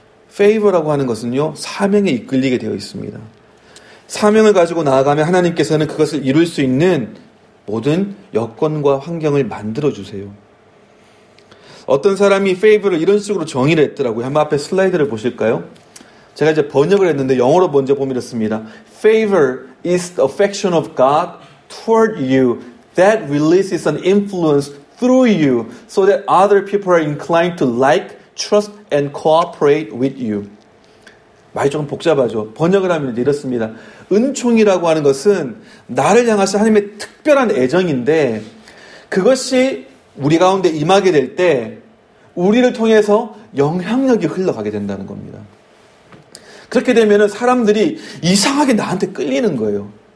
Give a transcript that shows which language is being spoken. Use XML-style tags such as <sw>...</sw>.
<ko>favor라고 하는 것은요, 사명에 이끌리게 되어 있습니다. 사명을 가지고 나아가면 하나님께서는 그것을 이룰 수 있는 모든 여건과 환경을 만들어주세요. 어떤 사람이 favor를 이런 식으로 정의를 했더라고요. 한번 앞에 슬라이드를 보실까요? 제가 이제 번역을 했는데 영어로 먼저 보면 이렇습니다.</ko> <en>Favor is the affection of God toward you that releases an influence through you so that other people are inclined to like, trust, and cooperate with you.</en> <ko>말이 조금 복잡하죠. 번역을 하면 이렇습니다. 은총이라고 하는 것은 나를 향하신 하나님의 특별한 애정인데 그것이 우리 가운데 임하게 될 때 우리를 통해서 영향력이 흘러가게 된다는 겁니다. 그렇게 되면 사람들이 이상하게 나한테 끌리는 거예요.</ko>